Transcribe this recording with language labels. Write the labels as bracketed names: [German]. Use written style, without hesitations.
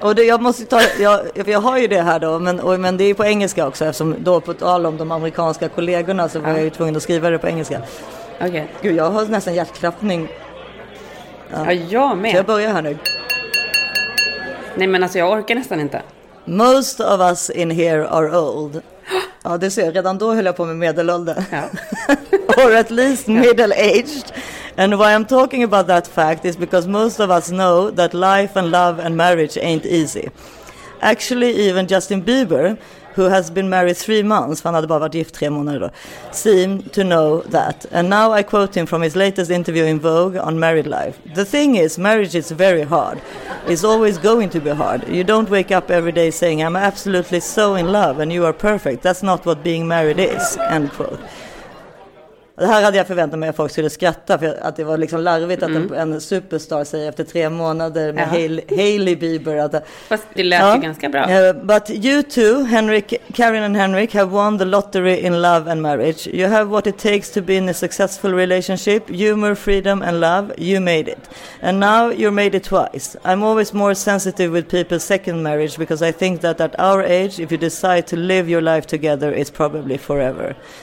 [Swedish] Och det, jag har ju det här då. Men det är ju på engelska också. Eftersom då på tal om de amerikanska kollegorna så var jag ju tvungen att skriva det på engelska. Okej. [English] Okay. [Swedish] Gud, jag har nästan hjärtklappning. Ja, jag med. Så jag börjar här nu. Nej, men alltså jag orkar nästan inte. [English] Most of us in here are old. [Swedish] Ja, det ser jag. Redan då höll jag på med medelålder. [English] Ja. Or at least middle-aged. And why I'm talking about that fact is because most of us know that life and love and marriage ain't easy. Actually, even Justin Bieber, who has been married 3 months, [Swedish] för han hade bara varit gift 3 månader då, [English] seemed to know that. And now I quote him from his latest interview in Vogue on married life. The thing is, marriage is very hard. It's always going to be hard. You don't wake up every day saying, I'm absolutely so in love and you are perfect. That's not what being married is, end quote. [Swedish] Det här hade jag förväntat mig att folk skulle skratta, för att det var liksom larvigt att en superstar säger efter 3 månader med Hailey Bieber. Att, fast det lät ju ganska bra. [English] But you two, Henrik, Karin and Henrik, have won the lottery in love and marriage. You have what it takes to be in a successful relationship, humor, freedom and love. You made it. And now you're made it twice. I'm always more sensitive with people's second marriage because I think that at our age, if you decide to live your life together, it's probably forever.